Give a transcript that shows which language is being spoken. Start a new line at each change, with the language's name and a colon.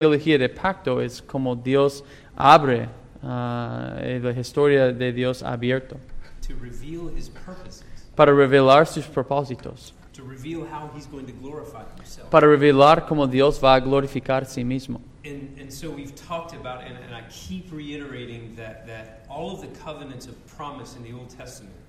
Spanish: trilogía de pacto es como Dios abre la historia de Dios abierto
English: to reveal his purposes,
Spanish: para revelar sus propósitos,
English: to reveal how he's going to glorify himself,
Spanish: para revelar cómo Dios va a glorificar a sí mismo.
English: And so we've talked about, and I keep reiterating that all of the covenants of promise in the Old Testament.